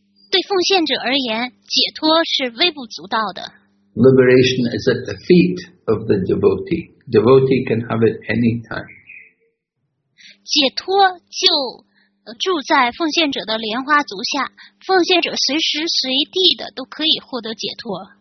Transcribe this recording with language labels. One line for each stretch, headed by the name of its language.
Chinese: 对奉献者而言，解脱是微不足道的。
English: Liberation is at the feet of the devotee. Devotee can have it any time.
Chinese: 解脱就住在奉献者的莲花足下，奉献者随时随地的都可以获得解脱。